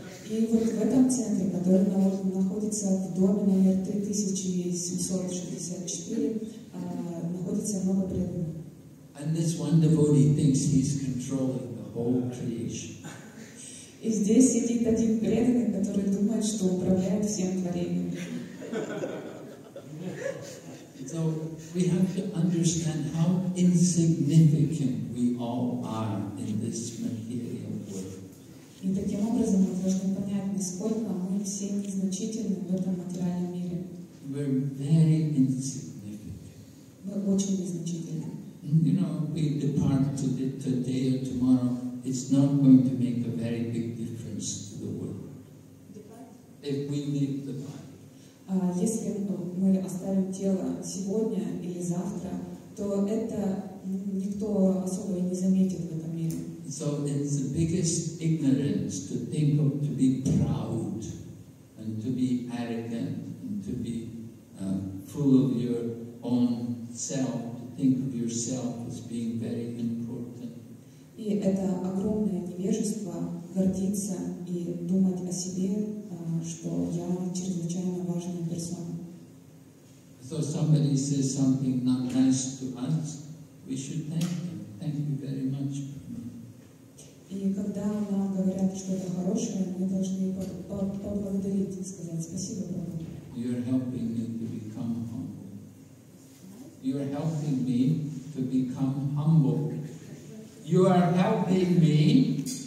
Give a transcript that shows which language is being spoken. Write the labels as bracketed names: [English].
[Russian] И вот в этом центре, который находится в доме номер 3764, находится много преданных. [English] And this one devotee thinks he's controlling. Whole creation. [Russian] И здесь сидит один преданный, который думает, что управляет всем творением. [English] So we have to understand how insignificant we all are in this material world. [Russian] И таким образом мы должны понять, насколько мы все незначительны в этом материальном мире. [English] We're very insignificant. [Russian] Мы очень незначительны. [English] You know, we depart today or tomorrow. It's not going to make a very big difference to the world. If we leave the body. [Russian] Если мы оставим тело сегодня или завтра, то это никто особо не заметит в этом мире. [English] So it's the biggest ignorance to think of to be proud and to be arrogant and to be full of your own self, to think of yourself as being very important. [Russian] И это огромное невежество гордиться и думать о себе, что я чрезвычайно важная персона. [English] So somebody says something not nice to us, we should thank them. Thank you very much. [Russian] И когда нам говорят что-то хорошее, мы должны поблагодарить и сказать спасибо Богу. [English] You are helping me to become humble. You are helping me to become humble. You are helping me.